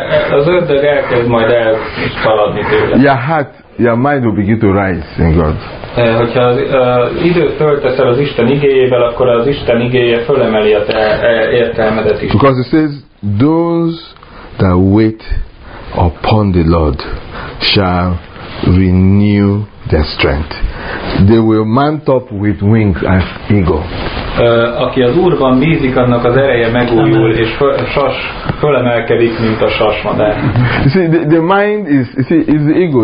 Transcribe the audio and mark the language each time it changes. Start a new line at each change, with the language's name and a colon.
Hungarian: Az ördög elkezd majd elszaladni tőle.
English: Your mind will begin to rise in God.
Hungarian: Hogyha időt tölteszel az Isten igéjével, akkor az Isten igéje fölemeli a te értelmedet is.
English: Because it says, those that wait upon the Lord shall renew their strength. They will mount up with wings as eagle.
Hungarian: Aki az Úrban bízik, annak az ereje megújul, és fölemelkedik, mint a sasmadár.
English: You see, the mind is, you see, is the ego.